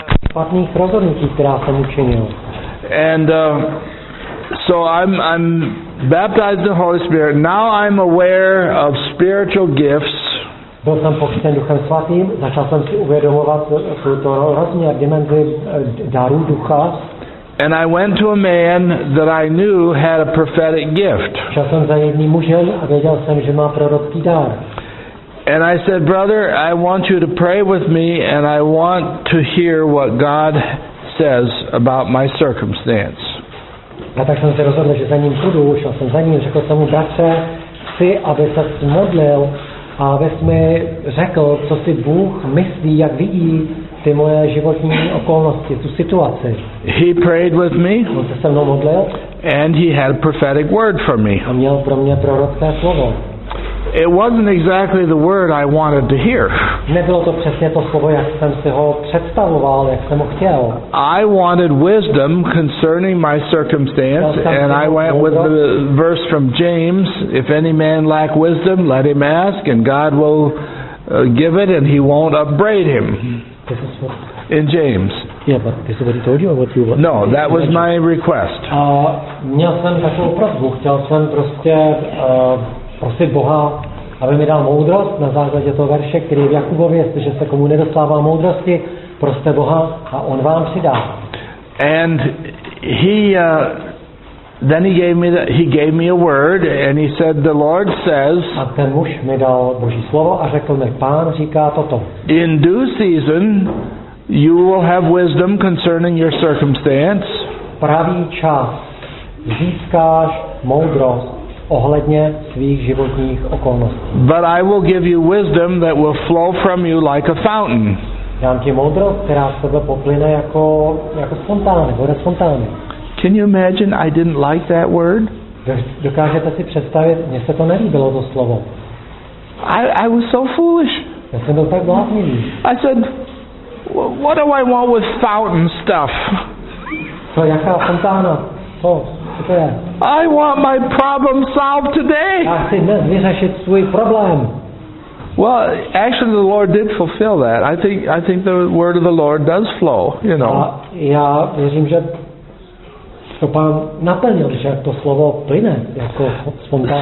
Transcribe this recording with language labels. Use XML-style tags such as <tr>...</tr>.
<cs>Špatných rozhodnutí, která jsem učinil.</cs> <en>And so I'm baptized in the Holy Spirit. Now I'm aware of spiritual gifts.</en> <cs>Byl jsem pokřtěn Duchem Svatým, začal jsem si uvědomovat tuto rozměr dimenzi darů ducha.</cs> <en>And I went to a man that I knew had a prophetic gift.</en> <cs>Šel jsem za jedním mužem a věděl jsem, že má prorocký dar.</cs> <en>And I said, brother, I want you to pray with me and I want to hear what God says about my circumstance.</en> <cs>A tak jsem se rozhodl, že za ním půjdu, šel jsem za ním, řekl jsem mu, bratře, chci, aby se modlil a aby jsi mi řekl, co si Bůh myslí, jak vidí ty moje životní okolnosti, tu situaci.</cs> <en>He prayed with me.</en> <cs>On se se mnou modlil.</cs> <en>And he had a prophetic word for me.</en> <cs>A měl pro mě prorocké slovo.</cs> <en>It wasn't exactly the word I wanted to hear.</en> <cs>Nebylo to přesně to slovo, jak jsem si ho představoval, jak jsem ho chtěl.</cs> <en>I wanted wisdom concerning my circumstance, and I went with the verse from James, if any man lack wisdom, let him ask, and God will give it, and he won't upbraid him. In James. Yeah, but this is what he told you, or what you want? No, that was my request.</en> <cs>Měl jsem takovou prosbu, chtěl jsem prostě prosit Boha, aby mi dal moudrost na základě toho verše, který je v Jakubově, jestliže se komu nedostává moudrosti, proste Boha a on vám přidá.</cs> <en>And he then he gave me a word and he said the Lord says.</en> <cs>A ten muž mi dal Boží slovo a řekl mi, Pán říká toto.</cs> <en>In due season you will have wisdom concerning your circumstance.</en> <cs>Pravý čas získáš moudrost ohledně svých životních okolností.</cs> <en>But I will give you wisdom that will flow from you like a fountain.</en> <cs>Dám ti moudrost, která z tebe poplyne jako spontánně, bude spontánně.</cs> <en>Can you imagine I didn't like that word?</en> <cs>Dokážete si představit, mně se to nelíbilo to slovo.</cs> <en>I was so foolish.</en> <cs>Já jsem byl tak blázný.</cs> <en>I said, what do I want with fountain stuff?</en> <cs>To je jaká fontána? To.</cs> <en>I want my problem solved today. Well, actually the Lord did fulfill that. I think the word of the Lord does flow, you know.</en> <cs>Já věřím, že to Pán naplnil, že to slovo plyne jako spontánně.</cs>